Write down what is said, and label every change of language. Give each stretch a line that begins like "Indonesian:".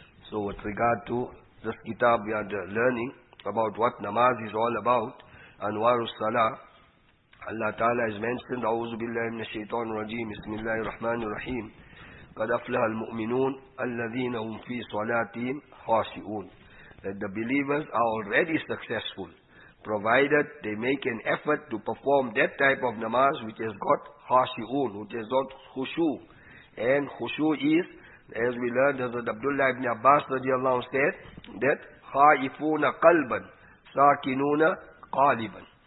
English: So with regard to this kitab, we are learning about what namaz is all about. Anwar salah. Allah Ta'ala has mentioned,
Arabic: أعوذ بالله من الشيطان الرجيم بسم الله الرحمن الرحيم قد أفلح المؤمنون الذين هم في صلاتهم خاشعون.
English: That the believers are already successful, provided they make an effort to perform that type of namaz which has got خاشعون, which has got خشوع. And خشوع is, as we learned, Hazrat Abdullah ibn Abbas رضي الله عنه said, that
Arabic: خائفون قلبا ساكنون قالبا.